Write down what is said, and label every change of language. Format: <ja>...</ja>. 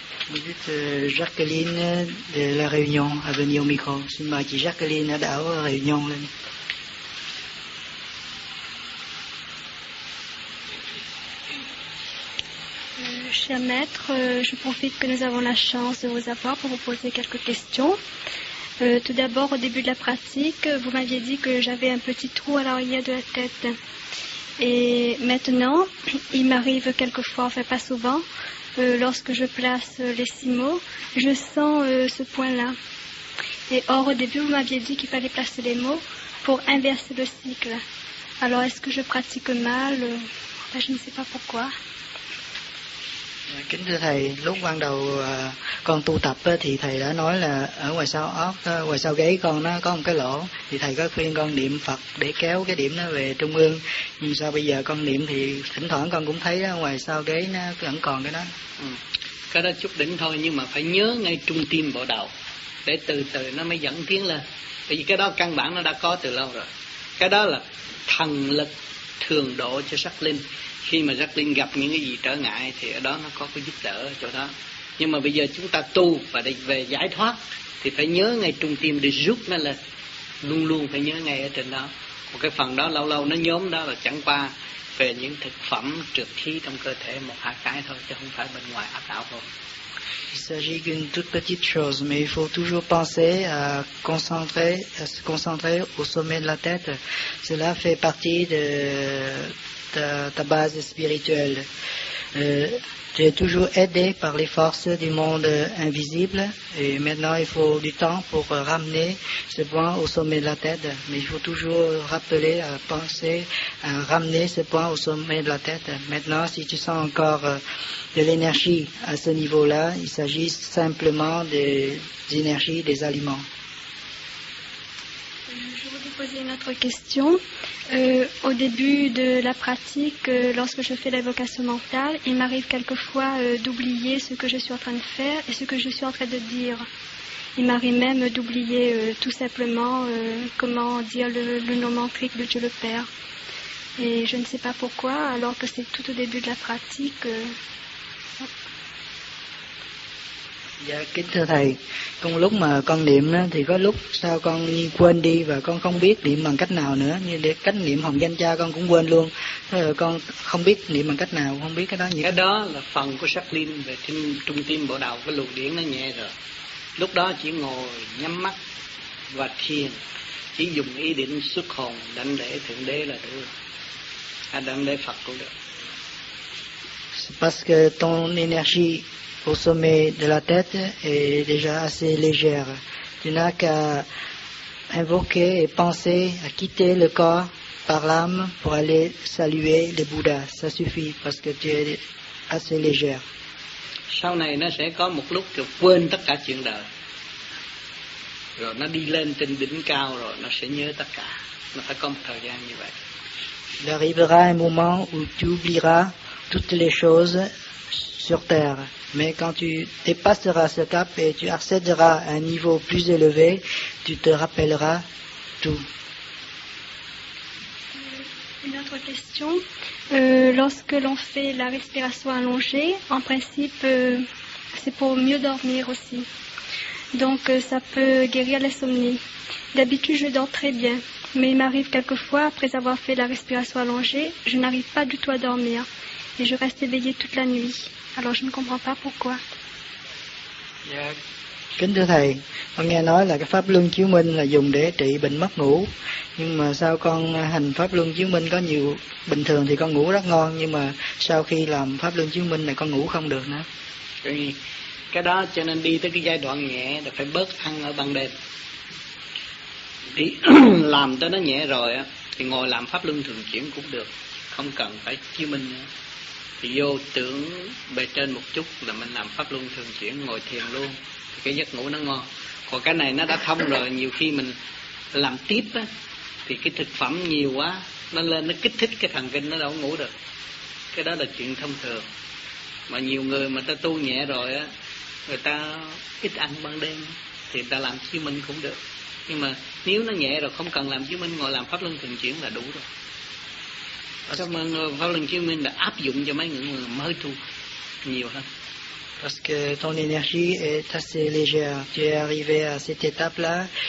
<fr>Vous dites Jacqueline de la Réunion à venir au micro.</fr> <vi>Xin mời chị Jacqueline đảo ở Réunion lên.</vi> <fr>Cher maître, je profite que nous avons la chance de vous avoir pour vous poser quelques questions. Tout d'abord, au début de la pratique, vous m'aviez dit que j'avais un petit trou à l'arrière de la tête. Et maintenant, il m'arrive quelquefois, enfin pas souvent, lorsque je place les six mots, je sens ce point-là. Et or, au début, vous m'aviez dit qu'il fallait placer les mots pour inverser le cycle. Alors, est-ce que je pratique mal? Ben, je ne sais pas pourquoi.</fr> <vi>Kính thưa thầy, lúc ban đầu con tu tập thì thầy đã nói là ở ngoài sau óc, ngoài sau gáy con nó có một cái lỗ, thì thầy có khuyên con niệm Phật để kéo cái điểm nó về trung ương. Nhưng sao bây giờ con niệm thì thỉnh thoảng con cũng thấy ngoài sau gáy nó vẫn còn cái đó. Cái đó chút đỉnh thôi, nhưng mà phải nhớ ngay trung tim bộ đầu để từ từ nó mới dẫn tiến lên. Bởi vì cái đó căn bản nó đã có từ lâu rồi. Cái đó là thần lực thường độ cho sắc linh. Khi mà Giác Linh gặp những cái gì trở ngại thì ở đó nó có cái giúp đỡ chỗ đó. Nhưng mà bây giờ chúng ta tu và để về giải thoát thì phải nhớ ngay trung tim để giúp nó lên. Luôn luôn phải nhớ ngay ở trên đó. Một cái phần đó lâu lâu nó nhóm đó là chẳng qua về những thực phẩm trượt khí trong cơ thể một hai cái thôi, chứ không phải bên ngoài áp đảo thôi.</vi> <fr>Il s'agit d'une toute petite chose, mais il faut toujours penser à se concentrer au sommet de la tête. Cela fait partie de ta base spirituelle. Tu es toujours aidé par les forces du monde invisible, et maintenant il faut du temps pour ramener ce point au sommet de la tête. Mais il faut toujours rappeler à penser à ramener ce point au sommet de la tête. Maintenant, si tu sens encore de l'énergie à ce niveau-là, il s'agit simplement des énergies des aliments. Poser une autre question. Au début de la pratique, lorsque je fais l'évocation mentale, il m'arrive quelquefois d'oublier ce que je suis en train de faire et ce que je suis en train de dire. Il m'arrive même d'oublier tout simplement comment dire le nom mantrique de Dieu le Père. Et je ne sais pas pourquoi, alors que c'est tout au début de la pratique.</fr> <vi>Dạ kính thưa thầy, con lúc mà con niệm á, thì có lúc sao con quên đi và con không biết niệm bằng cách nào nữa, như để cách niệm hồng danh cha con cũng quên luôn, thế rồi con không biết niệm bằng cách nào, không biết cái đó gì. Cái đó là phần của sắc linh về trung tim bộ đầu, cái luồng điển nó nhẹ rồi, lúc đó chỉ ngồi nhắm mắt và thiền, chỉ dùng ý định xuất hồn đảnh lễ thượng đế là được, à đảnh lễ Phật cũng được.</vi> <fr>Parce que ton énergie au sommet de la tête est déjà assez légère. Tu n'as qu'à invoquer et penser à quitter le corps par l'âme pour aller saluer le Bouddha. Ça suffit parce que tu es assez légère.</fr> <vi>Sau này nó sẽ có một lúc tu quên tất cả chuyện đời. Rồi nó đi lên trên đỉnh cao rồi nó sẽ nhớ tất cả. Nó phải có một thời gian như vậy.</vi> <fr>Il arrivera un moment où tu oublieras toutes les choses sur terre. Mais quand tu dépasseras ce cap et tu accéderas à un niveau plus élevé, tu te rappelleras tout. Une autre question. Lorsque l'on fait la respiration allongée, en principe, c'est pour mieux dormir aussi. Donc, ça peut guérir l'insomnie. D'habitude, je dors très bien. Mais il m'arrive quelquefois, après avoir fait la respiration allongée, je n'arrive pas du tout à dormir. Et je reste éveillée toute la nuit. Alors, je ne comprends pas pourquoi. Yeah.</fr> <vi>Kính thưa thầy, con nghe nói là cái pháp luân chiếu minh là dùng để trị bệnh mất ngủ. Nhưng mà sao con hành pháp luân chiếu minh có nhiều, bình thường thì con ngủ rất ngon, nhưng mà sau khi làm pháp luân chiếu minh là con ngủ không được nữa. Cái đó cho nên đi tới cái giai đoạn nhẹ là phải bớt ăn ở ban đêm. Đi làm tới nó nhẹ rồi á thì ngồi làm pháp luân thường chuyển cũng được, không cần phải chiếu minh nữa. Thì vô tưởng bề trên một chút là mình làm pháp luân thường chuyển, ngồi thiền luôn, thì cái giấc ngủ nó ngon. Còn cái này nó đã thông rồi, nhiều khi mình làm tiếp á thì cái thực phẩm nhiều quá nó lên, nó kích thích cái thần kinh, nó đâu ngủ được. Cái đó là chuyện thông thường. Mà nhiều người mà ta tu nhẹ rồi á, người ta ít ăn ban đêm thì người ta làm chiếu minh cũng được. Nhưng mà nếu nó nhẹ rồi không cần làm chiếu minh, ngồi làm pháp luân thường chuyển là đủ rồi. Cảm ơn pháp luân chiếu minh đã áp dụng cho mấy người mới tu nhiều hơn.</vi> <fr>Parce que ton énergie est assez légère. Tu es arrivé à cette étape-là.</fr>